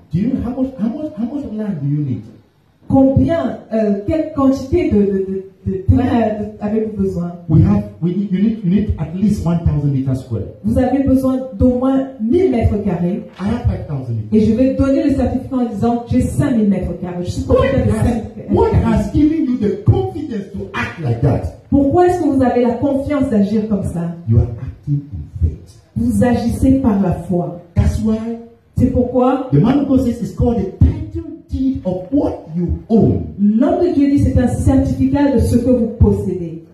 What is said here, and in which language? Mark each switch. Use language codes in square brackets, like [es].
[en] Do you how much land do you need? [fr] Combien, quelle quantité de terrain avez-vous besoin? [en] You need at least 1,000 meters square. [fr] Vous avez besoin d'au moins 1000 mètres carrés. [en] I have 5,000 meters. [fr] Et je vais donner le certificat en disant j'ai 5000 mètres carrés. Je suis [en] what has given you the confidence to act like that? [fr] Pourquoi est-ce que vous avez la confiance d'agir comme ça? [en] You are acting in faith. [fr] Vous agissez par la foi. [en] That's why. [fr] C'est pourquoi. [en] The man of God says it's called a title deed of what you own. [fr] L'homme de Dieu dit c'est un certificat de ce que vous possédez.